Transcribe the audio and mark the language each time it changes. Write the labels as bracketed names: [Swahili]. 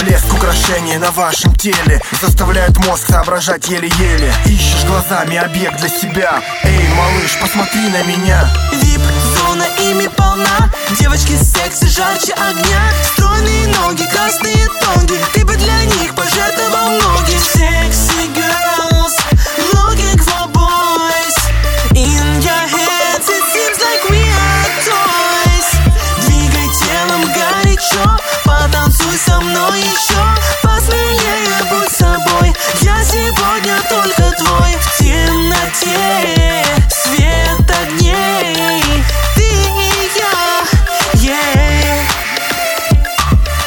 [Russian] Блеск украшения на вашем теле заставляет мозг соображать еле-еле. Ищешь глазами объект для себя. Эй, малыш, посмотри на меня. Вип-зона ими полна. Девочки секси жарче огня. Стройные ноги, красные тонги. Ты бы для них пожертвовал ноги. [English] Секси girls, looking for boys. In your heads it seems like we are toys. [Russian] Двигай телом горячо, потанцуй со мной еще. Посмелее будь собой, я сегодня только твой. В темноте свет огней. Ты и я, yeah.